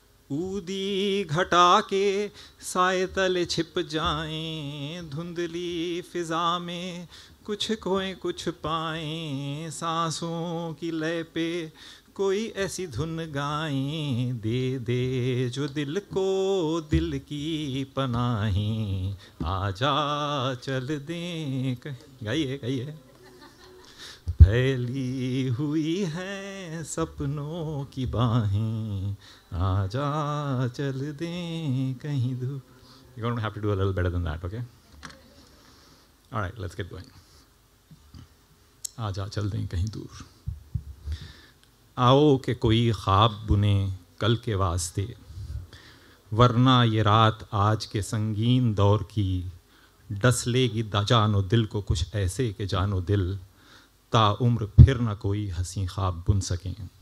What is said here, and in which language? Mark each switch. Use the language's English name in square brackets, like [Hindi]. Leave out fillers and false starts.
[Hindi] ऊदी घटा के साए तले छिप जाएं, धुंधली फिजा में कुछ कोएं कुछ पाएं, सांसों की लय पे कोई ऐसी धुन गाएं, दे दे जो दिल को दिल की पनाहें, आजा चल दें. गाइए गाइए. फैली हुई है सपनों की बाहें, आजा चल दें कहीं दूर. [English] You're going to have to do a little better than that, okay? All right, let's get going. [Hindi] आजा चल दें कहीं दूर. आओ के कोई ख्वाब बुने कल के वास्ते, वरना ये रात आज के संगीन दौर की डस लेगी जानो दिल को कुछ ऐसे के जानो दिल, ता उम्र फिर ना कोई हसीं ख्वाब बुन सकें.